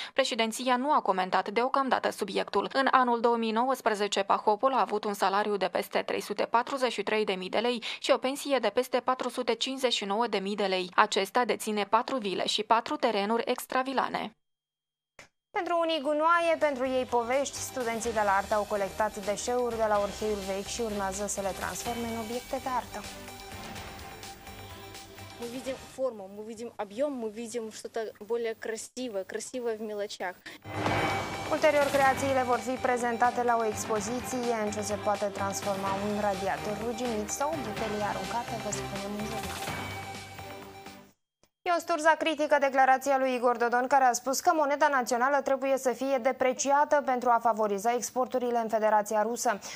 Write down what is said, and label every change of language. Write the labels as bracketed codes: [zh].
[ro] Președinția nu a comentat deocamdată subiectul. În anul 2019, Pahopol a avut un salariu de peste 343.000 de lei și o pensie de peste 459.000 de lei. Acesta deține 4 vile și 4 terenuri extravilane. Pentru unii gunoaie, pentru ei povești, studenții de la artă au colectat deșeuri de la Orheiul Vechi și urmează să le transforme în obiecte de artă. [ru] Мы видим форму, мы видим объем, мы видим что-то более красивое, красивое в мелочах. [ro] Ulterior, creațiile vor fi prezentate la o expoziție în ce se poate transforma un radiator ruginit sau o butelie aruncată, vă spunem în jurnal. E o sturză critică declarația lui Igor Dodon, care a spus că moneda națională trebuie să fie depreciată pentru a favoriza exporturile în Federația Rusă.